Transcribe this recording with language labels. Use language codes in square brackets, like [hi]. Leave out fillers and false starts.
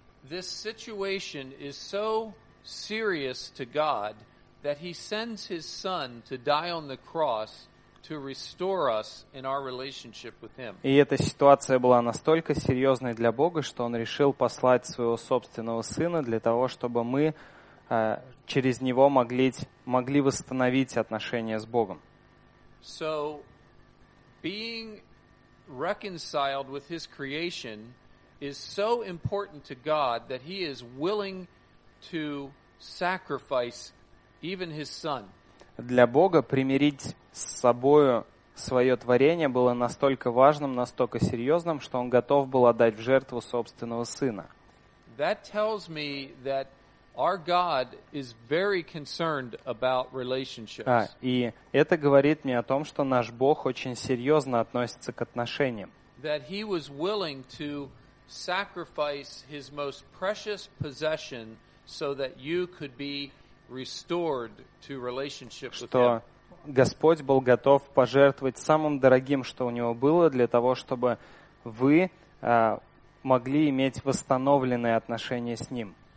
[en] This situation is so serious to God that He sends His Son to die on the cross to restore us in our relationship with Him. [ru] И эта ситуация была настолько серьезной для Бога, что Он решил послать своего собственного Сына для того, чтобы мы через Него могли восстановить отношения с Богом. [en] So, being reconciled with His creation is so important to God that He is willing to sacrifice even His Son. [ru] Для Бога примирить с собою свое творение было настолько важным, настолько серьезным, что Он готов был отдать в жертву собственного Сына. [en] That tells me that our God is very concerned about relationships. [ru] И это говорит мне о том, что наш Бог очень серьезно относится к отношениям. [en] That He was willing to sacrifice His most precious possession so that you could be restored to relationship with Him. [ru] Что Господь был готов пожертвовать самым дорогим, что у Него было, для того, чтобы вы могли иметь восстановленные отношения с Ним.